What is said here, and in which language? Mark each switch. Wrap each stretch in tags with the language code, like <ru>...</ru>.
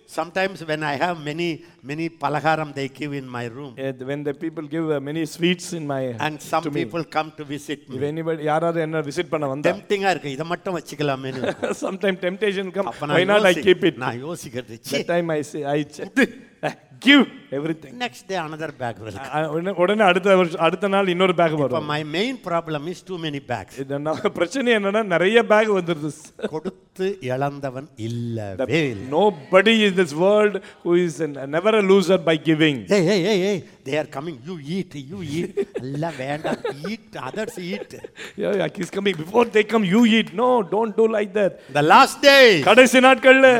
<en>Sometimes when I have many palaharam they give in my room. When the people give many sweets in my And some people come to visit me. If anybody,</en> <ta>யாராவது என்ன visit பண்ண வந்தா. Tempting-ஆ இருக்கு. இதை மட்டும் வச்சுக்கலாமே.</ta> <en>Sometimes temptation come. Why not I keep it?</en> <ta>நான் யோசிக்கிறது.</ta> <en>That time I say, I give everything. Next day another bag will come.</en> <ta>உடனே அடுத்த நாள் இன்னொரு பேக் வரும்.</ta> <en>My main problem is too many bags.</en> <ta>என்ன பிரச்சனை என்னன்னா நிறைய பேக் வந்துருது. கொடுத்து இழந்தவன் இல்லவே இல்லை.</ta> <en>Nobody in this world who is never a loser by giving. Hey, they are coming. You eat.</en> <ml>Alla venda.</ml> <en>Eat. Others eat. Yeah, yeah. He's coming. Before they come, you eat. No, don't do like that. The last day.</en> <ta>Kadaisi naatkalle.</ta>